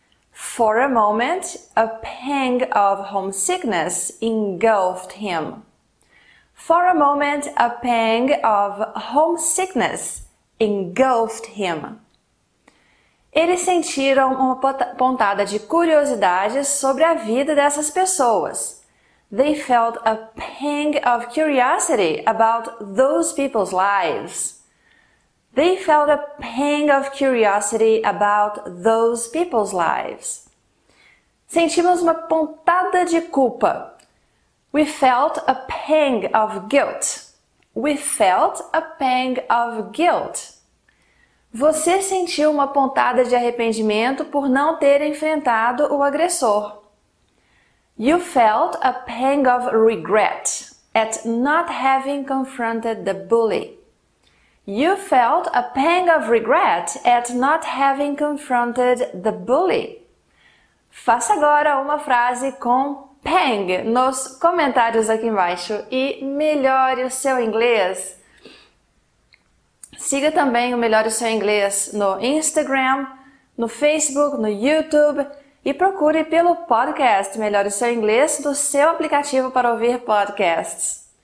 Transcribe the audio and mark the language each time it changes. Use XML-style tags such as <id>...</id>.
<en>For a moment, a pang of homesickness engulfed him. For a moment, a pang of homesickness engulfed him.</en> <pt>Eles sentiram uma pontada de curiosidade sobre a vida dessas pessoas.</pt> <en>They felt a pang of curiosity about those people's lives. They felt a pang of curiosity about those people's lives.</en> <pt>Sentimos uma pontada de culpa.</pt> <en>We felt a pang of guilt. We felt a pang of guilt.</en> <pt>Você sentiu uma pontada de arrependimento por não ter enfrentado o agressor.</pt> <en>You felt a pang of regret at not having confronted the bully. You felt a pang of regret at not having confronted the bully.</en> <pt>Faça agora uma frase com Pang nos comentários aqui embaixo e melhore o seu inglês. Siga também o Melhore o Seu Inglês no Instagram, no Facebook, no YouTube e procure pelo podcast Melhore o Seu Inglês do seu aplicativo para ouvir podcasts.</pt>